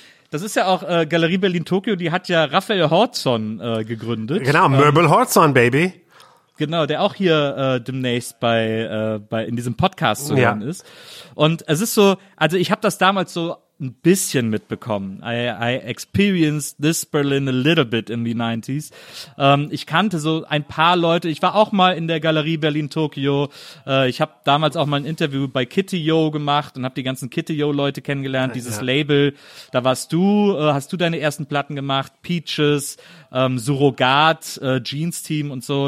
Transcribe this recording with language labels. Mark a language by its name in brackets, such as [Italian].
[German] Das ist ja auch Galerie Berlin Tokio, die hat ja Raphael Hortzon gegründet. Genau, Möbel Hortzon, Baby. Genau, der auch hier demnächst bei in diesem Podcast zu hören ist. Und es ist so, also ich habe das damals so ein bisschen mitbekommen. [English] I experienced this Berlin a little bit in the 90s. [German] Ich kannte so ein paar Leute. Ich war auch mal in der Galerie Berlin Tokio. Ich habe damals auch mal ein Interview bei Kitty Yo gemacht und habe die ganzen Kitty Yo Leute kennengelernt, dieses Label. Da warst du, hast du deine ersten Platten gemacht, Peaches, Surrogat, Jeans Team und so.